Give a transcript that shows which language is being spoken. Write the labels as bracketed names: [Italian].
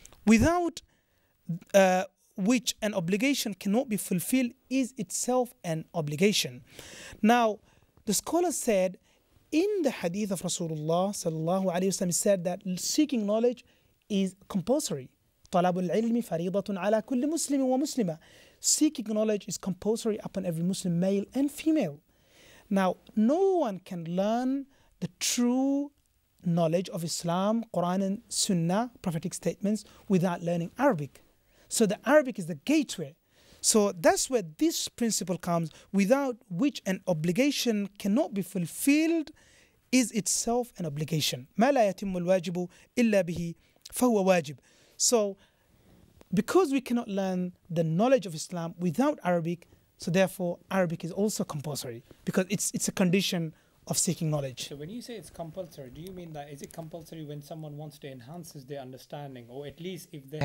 [English] Without which an obligation cannot be fulfilled is itself an obligation. Now, the scholar said, in the hadith of Rasulullah sallallahu alayhi wa sallam, he said that seeking knowledge is compulsory. [Arabic] طلب العلم فريضة على كل مسلم ومسلمة. [English] Seeking knowledge is compulsory upon every Muslim, male and female. Now, no one can learn the true knowledge of Islam, Quran and Sunnah, prophetic statements, without learning Arabic. So the Arabic is the gateway. So that's where this principle comes, without which an obligation cannot be fulfilled, is itself an obligation. [Arabic] ما لا يتم الواجب إلا به فهو واجب. [English] So because we cannot learn the knowledge of Islam without Arabic, so therefore Arabic is also compulsory, because it's a condition of seeking knowledge. So when you say it's compulsory, do you mean that is it compulsory when someone wants to enhance their understanding, or at least if they